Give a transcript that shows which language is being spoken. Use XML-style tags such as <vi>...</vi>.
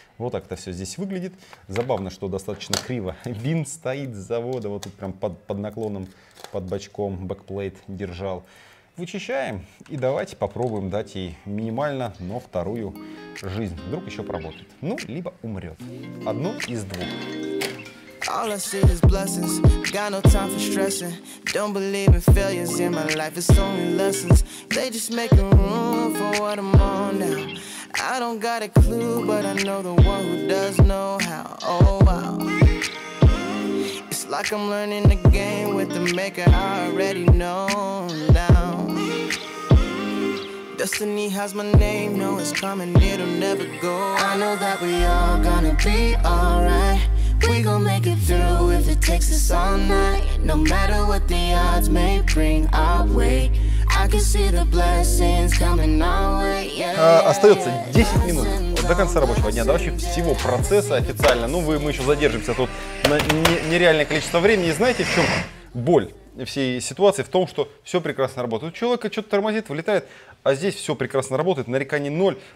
<ru>Вот так это все здесь выглядит. Забавно, что достаточно криво винт стоит с завода. Вот тут прям под наклоном, под бочком бэкплейт держал. Вычищаем и давайте попробуем дать ей минимально, но вторую жизнь. Вдруг еще поработает. Ну, либо умрет. Одно из двух.</ru> <en>All I see is blessings, got no time for stressing. Don't believe in failures in my life, it's only lessons. They just make room for what I'm on now. I don't got a clue, but I know the one who does know how. Oh wow. It's like I'm learning the game with the maker I already know now. Destiny has my name, no, it's coming, it'll never go. I know that we all gonna be alright. We gon' make it through if it takes us all night. No matter what the odds may bring our way. I can see the blessings coming our way, yeah.</en> <ru>Остается 10 минут до конца рабочего дня, да вообще всего процесса официально. Ну мы еще задержимся тут на нереальное количество времени. И знаете, в чем боль всей ситуации? В том, что все прекрасно работает. У человека что-то тормозит, вылетает, а здесь все прекрасно работает, нареканий ноль.</ru>